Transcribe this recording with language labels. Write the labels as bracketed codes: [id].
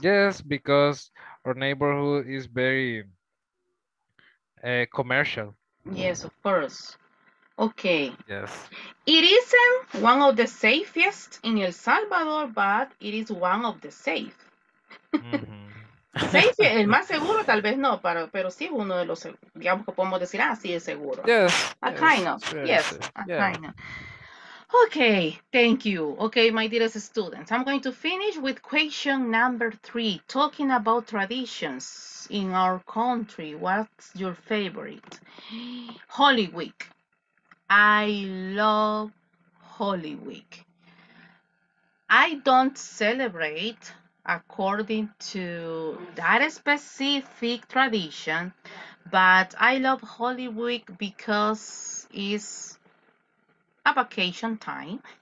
[en] Yes, because... Our neighborhood is very commercial. Yes, of course. Okay. Yes. It isn't one of the safest in El Salvador, but it is one of the safe. Mm-hmm. [es] Safe, el más seguro, tal vez no, pero sí uno de los, digamos que podemos decir, ah, sí, es seguro. [en] Yes. A kind of, yes, a kind of. Okay, thank you. Okay, my dearest students, I'm going to finish with question number 3, talking about traditions in our country. What's your favorite? Holy Week. I love Holy Week. I don't celebrate according to that specific tradition, but I love Holy Week because it's a vacation time.